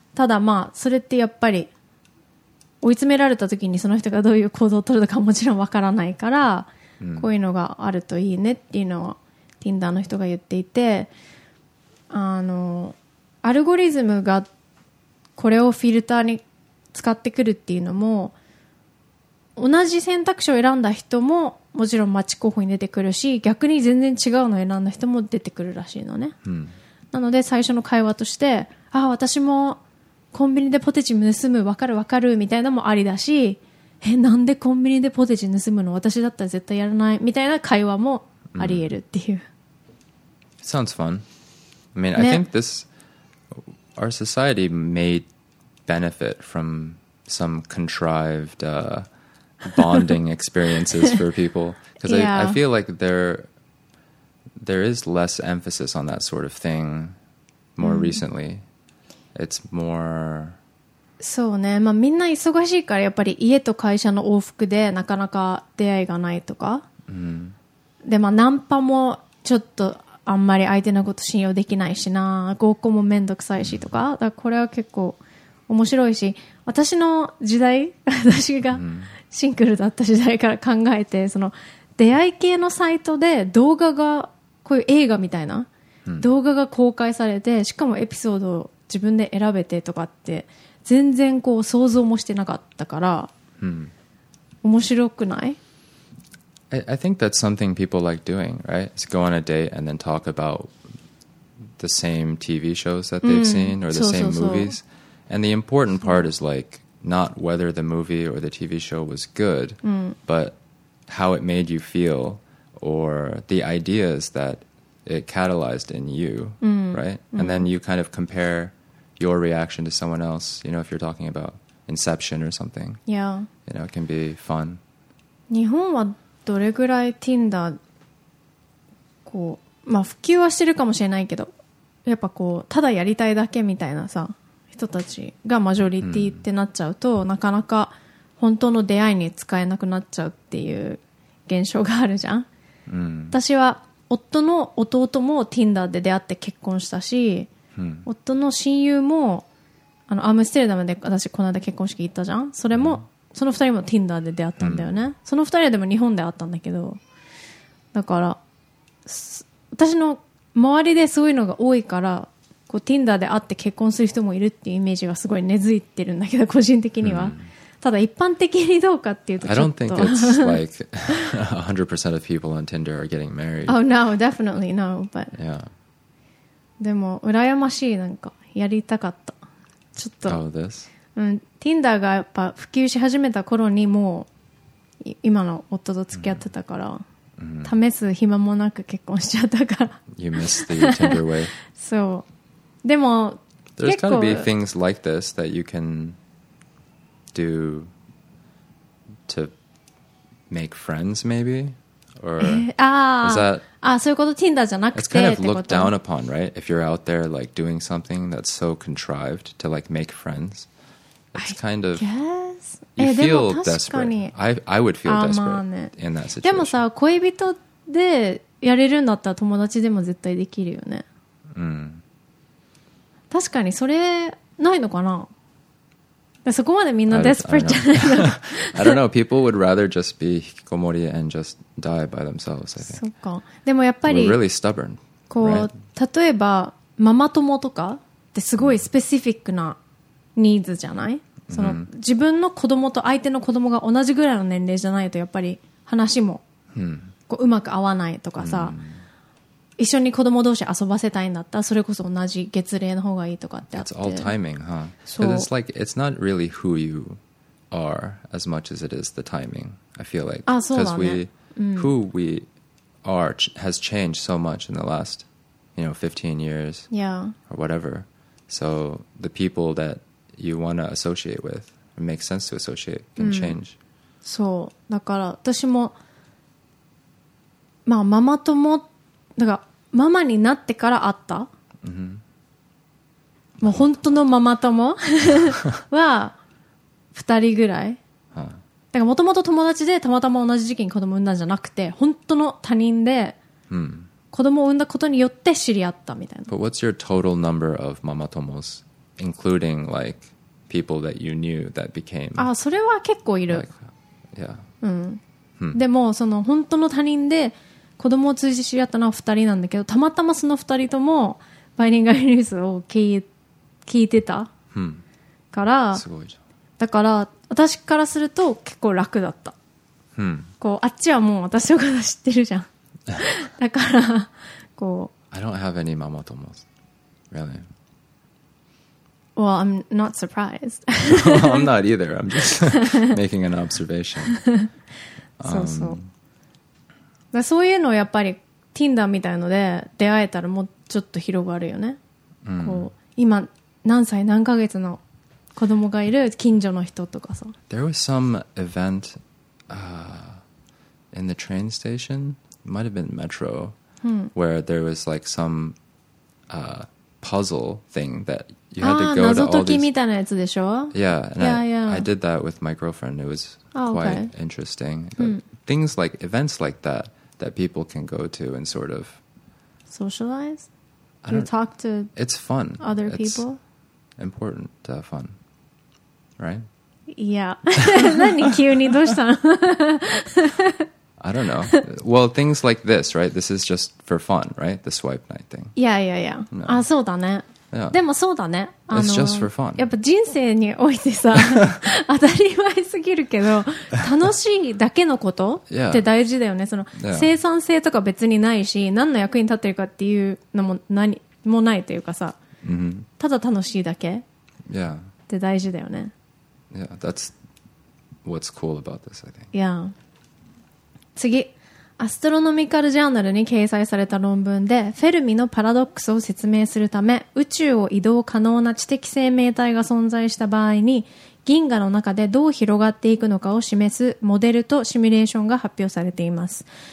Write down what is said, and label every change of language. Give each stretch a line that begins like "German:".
Japanese: ただまあそれってやっぱり追い詰められた時にその人がどういう行動を取るのかもちろんわからないから、こういうのがあるといいねっていうのは Tinder の人が言っていて、あのアルゴリズムがこれをフィルターに使ってくるっていうのも、同じ選択肢を選んだ人ももちろんマッチ候補に出てくるし、逆に全然違うのを選んだ人も出てくるらしいのね。なので最初の会話として、あ、私もコンビニでポテチ盗む、わかるわかるみたいなのもありだし、え、なんでコンビニでポテチ盗むの、私だったら絶対やらないみたいな会話もありえるっていう。
English: Sounds fun. I mean,、ね、I think this our society may benefit from some contrived、bonding experiences for people. Because、yeah. I feel like there is less emphasis on that sort of thing more、recently. It's more
Japanese: そうね、まあ、みんな忙しいからやっぱり家と会社の往復でなかなか出会いがないとか、うん、でまあナンパもちょっとあんまり相手のこと信用できないしな、合コンもめんどくさいしとか、だからこれは結構面白いし、私の時代、私がシングルだった時代から考えて、その出会い系のサイトで動画が、こういう映画みたいな動画が公開されて、しかもエピソードを自分で選べてとかって全然こう想像もしてなかったから、うん、面白くない？
English: I think that's something people like doing, right? Is go on a date and then talk about the same TV shows that they've seen or the same movies. And the important part is like not whether the movie or the TV show was good, but how it made you feel or the ideas that it catalyzed in you, right? And then you kind of compare your reaction to someone else, you know, if you're talking about Inception or something. Yeah. You know, it can be fun.
Japanese: 日本はどれぐらい Tinder こう、まあ普及はしてるかもしれないけど、やっぱこう、ただやりたいだけみたいなさ、人たちがマジョリティってなっちゃうと、なかなか本当の出会いに使えなくなっちゃうっていう現象があるじゃん。私は夫の弟も Tinder で出会って結婚したし、夫の親友もあのアムステルダムで私この間結婚式行ったじゃん、それも、その二人も Tinder で出会ったんだよね、その二人はでも日本で会ったんだけど、だから私の周りでそういうのが多いから、こう Tinder で会って結婚する人もいるっていうイメージがすごい根付いてるんだけど、個人的には、ただ一般的にどうかっていうと、
English: ちょっと I don't think it's like 100% of people on Tinder are getting married. Oh no, definitely no, but yeah.
Japanese: でも羨ましい、なんかやりたかった、ちょっと、Tinder がやっぱ普及し始めた頃にもう今の夫と付き合ってたから、試す暇もなく結婚しちゃったから、
English: You missed the Tinder way.
Japanese: そう、でも
English: There's got to be things like this that you can do to make friends maybe. Or is that Tinder? It's kind of looked down upon, right? If you're out there like doing something that's so contrived to like make friends, it's kind of you feel desperate. I would feel desperate in that situation.
Japanese: でもさ、恋人でやれるんだったら友達でも絶対できるよね。確かにそれないのかな。そこまでみんな desperate じゃないの。
English: I don't know. People would rather just be hikikomori and just die by themselves, I think.
Japanese: そうか。でもやっぱり、
English: We're really stubborn,
Japanese: こう、
English: right?
Japanese: 例えば、ママ友とかってすごいスペシフィックなニーズじゃない、その、自分の子供と相手の子供が同じぐらいの年齢じゃないと、やっぱり話も、こう、うまく合わないとかさ、一緒に子供同士遊ばせたいんだったら、それこそ同じ月齢の方がいいとかってあって、
English: It's all timing, huh? So it's like it's not really who you are as much as it is the timing. I feel like because we who we are has changed so much in the last, you know, 15 years, yeah, or whatever. So the people that you want to associate with make sense to associate can change.
Japanese: そう、だから私もまあママ友、だからママになってから会った、もう本当のママ友は2人ぐらい、だからもともと友達でたまたま同じ時期に子供産んだんじゃなくて、本当の他人で子供を産んだことによって知り合ったみたいな。
English: But what's your total number of ママ友's including like people that you knew that became、
Japanese: あ、それは結構いる、
English: like, yeah.
Japanese: でもその本当の他人で子供を通じて知り合ったのは二人なんだけど、たまたまその二人ともバイリンガルニュースを聞いてたから、すごいじゃん。だから私からすると結構楽だった。こうあっちはもう私のこと知ってるじゃん。だからこう。
English: I don't have any mama tomos, really. Well, I'm not surprised. Well, I'm not either. I'm just making an observation.
Japanese: そうそう。だそういうのをやっぱり Tinder みたいので出会えたらもうちょっと広がるよね、こう今何歳何ヶ月の子供がいる近所の人とかさ、
English: There was some event in the train station, might have been metro, where there was like some puzzle thing that you had to go to all these...
Japanese: 謎解きみたいなやつでしょ?
English: Yeah, and yeah, I did that with my girlfriend. It was quite interesting. But things like events like that, that people can go to and sort of... Socialize? You talk to it's fun. Other people? It's important to have fun, right?
Japanese: Yeah. 何急にどうしたの?
English: I don't know. Well, things like this, right? This is just for fun, right? The swipe night thing. Yeah, yeah, yeah. No.
Japanese: あ、そうだね。
English: Yeah.
Japanese: でもそうだね。
English: It's just for fun.
Japanese: やっぱ人生においてさ、当たり前すぎるけど、楽しいだけのことって大事だよね。その、
English: yeah.
Japanese: 生産性とか別にないし、何の役に立ってるかっていうのも何もないというかさ、 mm-hmm. ただ楽しいだけ
English: yeah.
Japanese: って大事だよね。
English: Yeah, that's what's cool about this, I think. Yeah.
Japanese: 次、アストロノミカルジャーナルに掲載された論文で、フェルミのパラドックスを説明するため、宇宙を移動可能な知的生命体が存在した場合に、銀河の中でどう広がっていくのかを示すモデルとシミュレーションが発表されています。